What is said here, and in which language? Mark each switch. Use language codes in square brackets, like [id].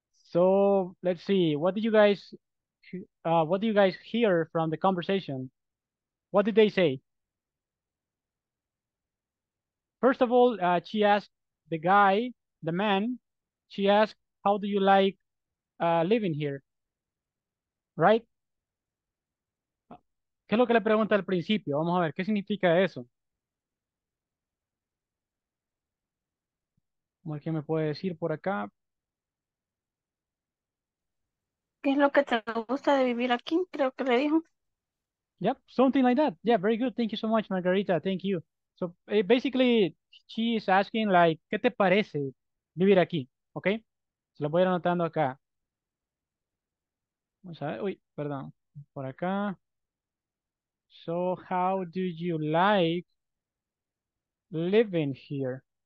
[en] So let's see, what do you guys hear from the conversation? What did they say? First of all, she asked the guy, the man, she asked, how do you like living here? Right? [es] ¿Qué es lo que le pregunta al principio? Vamos a ver, ¿qué significa eso? Vamos a ver qué me puede decir por acá. ¿Qué es lo que te gusta de vivir aquí? Creo que le dijo. [en] Yep, something like that. Yeah, very good. Thank you so much, Margarita. Thank you. So basically, she is asking, like, [es] ¿qué te parece vivir aquí? [en] Okay? [es] Se lo voy anotando acá. Vamos a ver. Uy, perdón. Por acá. [en] So, how do you like living here?